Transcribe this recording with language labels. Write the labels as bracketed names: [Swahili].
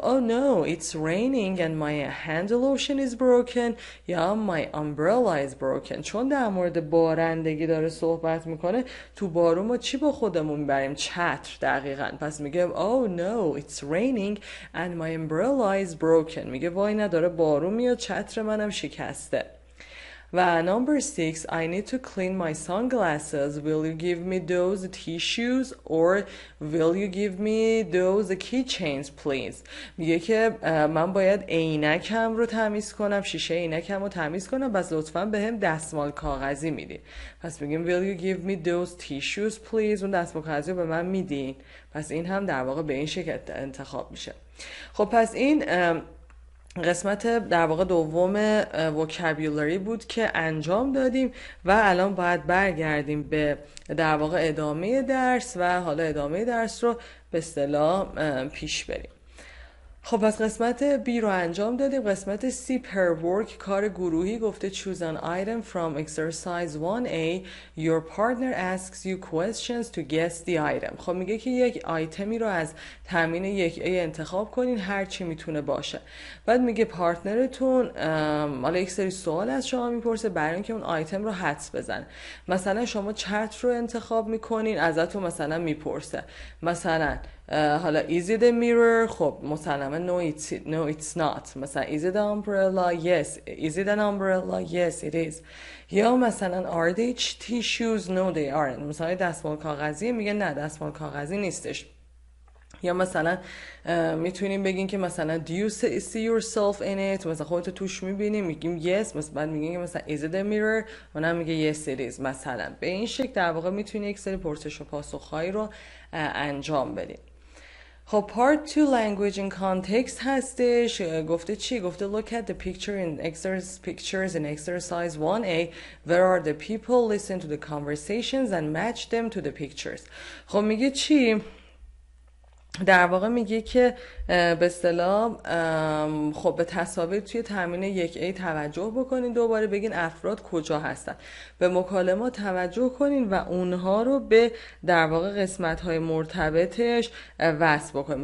[English] Oh no, it's raining and my hand lotion is broken. یا my umbrella is broken. [Persian] چون در مورد بارندگی داره صحبت میکنه، تو بارون ما چی با خودمون بریم؟ چتر دقیقاً. پس میگه [English] oh no, it's raining and my umbrella is broken. [Persian] میگه وای نه، داره بارون میاد، چتر منم شکسته. [English] و number 6, I need to clean my sunglasses. Will you give me those tissues or will you give me those keychains, please? [Persian] میگه که من باید عینکم رو تمیز کنم، شیشه عینکم رو تمیز کنم، بس لطفاً به هم دستمال کاغذی میدین. پس میگیم [English] will you give me those tissues, please؟ [Persian] اون دستمال کاغذی رو به من میدین. پس این هم در واقع به این شکل انتخاب میشه. خب پس این قسمت در واقع دوم وکابیولری بود که انجام دادیم و الان باید برگردیم به در واقع ادامه درس و حالا ادامه درس رو به اصطلاح پیش بریم. خب پس قسمت B رو انجام دادیم. [English] قسمت C pair work [Persian] کار گروهی، [English] گفته choose an item from exercise 1A. Your partner asks you questions to guess the item. [Persian] خب میگه که یک آیتمی رو از تمرین 1A انتخاب کنین، هر چی میتونه باشه. بعد میگه پارتنرتون حالا یک سری سوال از شما میپرسه برای اینکه اون آیتم رو حدس بزنه. مثلا شما چتر رو انتخاب میکنین، ازتون مثلا میپرسه مثلا حالا [English] is it a mirror؟ [Persian] خب مسلمه [English] no it's not. مثلا is it an umbrella؟ yes. is it an umbrella؟ yes it is. یا مثلا are they tissues؟ no they aren't. [Persian] مثلا دستمال کاغذی، میگه نه دستمال کاغذی نیستش. یا مثلا میتونیم بگیم که مثلا [English] do you see yourself in it؟ [Persian] مثلا خودت توش میبینی؟ میگیم yes. مثلا بعد میگیم که مثلا [English] is it a mirror؟ [Persian] اونم میگه [English] yes it is. [Persian] مثلا به این شکل در واقع میتونی یک سری پرسش و پاسخهایی رو انجام بدی. [English] خب part 2 language in context هستش. [Persian] گفته چی؟ گفته [English] look at the picture in pictures in exercise 1A. Where are the people? Listen to the conversations and match them to the pictures. [Persian] خب میگه چی؟ در واقع میگه که به اصطلاح خب به تصاویر توی تمرین 1A توجه بکنین، دوباره بگین افراد کجا هستن، به مکالمات توجه کنین و اونها رو به در واقع قسمت‌های مرتبطش وصل بکنین.